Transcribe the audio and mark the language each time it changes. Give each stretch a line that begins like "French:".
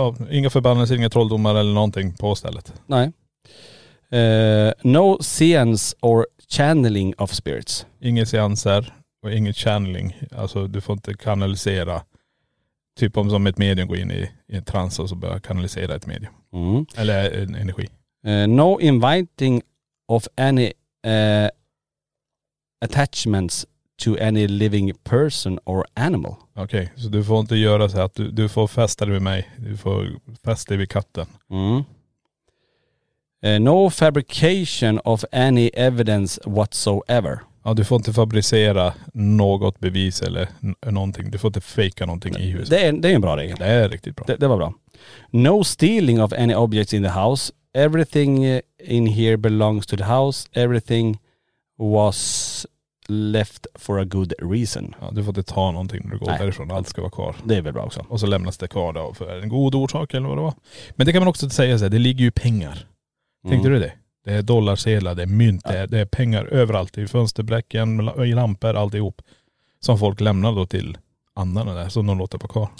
Swedish: inga förbannelser, inga trolldomar eller någonting på stället.
English: Nej. No seance or channeling of spirits.
Swedish: Inga seanser och inget channeling. Alltså du får inte kanalisera. Typ om som ett medium går in i en trans och så börjar kanalisera ett medium. Mm. Eller en energi.
English: No inviting of any attachments to any living person or animal.
Swedish: Okej, okay, så du får inte göra så att du får fästa dig med mig. Du får fästa dig vid katten.
English: Mm. No fabrication of any evidence whatsoever.
Swedish: Ja, du får inte fabricera något bevis eller någonting. Du får inte fejka någonting i huset. Det är en bra regel. Det är riktigt bra. Det var bra.
English: No stealing of any objects in the house. Everything in here belongs to the house. Everything was left for a good reason.
Swedish: Ja, du får inte ta någonting när du går därifrån. Allt ska vara kvar. Det är väl bra också. Och så lämnas det kvar då för en god orsak eller vad det var. Men det kan man också säga så här, det ligger ju pengar. Tänkte du det? Det är dollarsedlar, det är mynt, ja. Det är pengar överallt. I fönsterbräcken, i lampor, alltihop. Som folk lämnar då till andarna där som de låter på kvar.